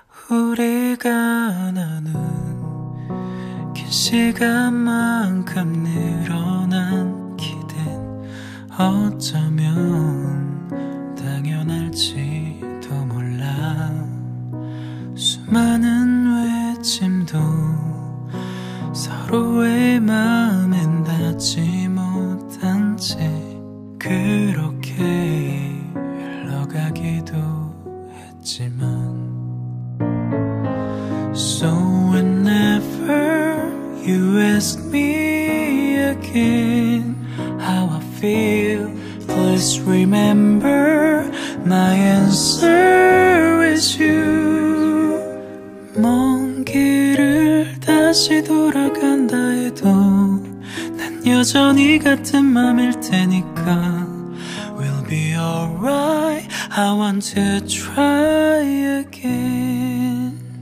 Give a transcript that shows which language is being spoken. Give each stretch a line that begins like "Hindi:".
Korean: 우리가 나눈 긴 시간만큼 늘어난 기댄 어쩌면 당연할지도 몰라. 수많은 외침도 서로의 마음엔 닿지 못한 채 그렇게 흘러가기도 했지만
English: So whenever you ask me again how I feel, please remember my answer is you.
Korean: 먼 길을 다시 돌아간다 해도 난 여전히 같은 맘일 테니까
English: We'll be alright. I want to try again.